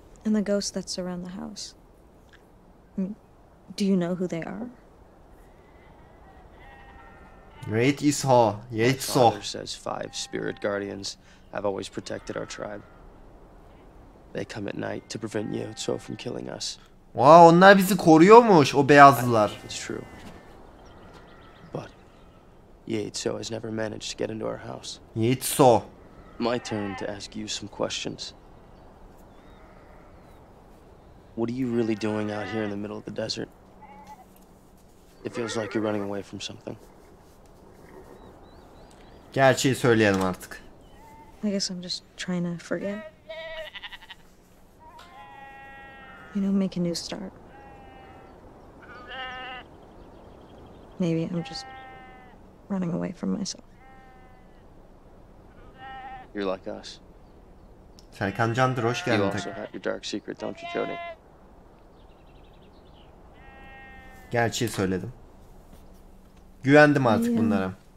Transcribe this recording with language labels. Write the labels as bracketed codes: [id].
[en] And the ghosts that surround the house. Do you know who they are? Yeitso, Yeitso. Says five spirit guardians. I've always protected our tribe. They come at night to prevent Yeitso from killing us. [tr] Wow, onlar bizi koruyormuş, o beyazlılar. [en] It's true. But Yeitso has never managed to get into our house. Yeitso. My turn to ask you some questions. What are you really doing out here in the middle of the desert? It feels like you're running away from something. [tr] Gerçeği söyleyelim artık. [en] I guess I'm just trying to forget. You know, make a new start. Maybe I'm just running away from myself. You're like us. [tr] Serkan Can'dır, hoş geldin. [en] You also have your dark secret, don't you, Jody? [tr] Gerçeği söyledim. Güvendim artık bunlara.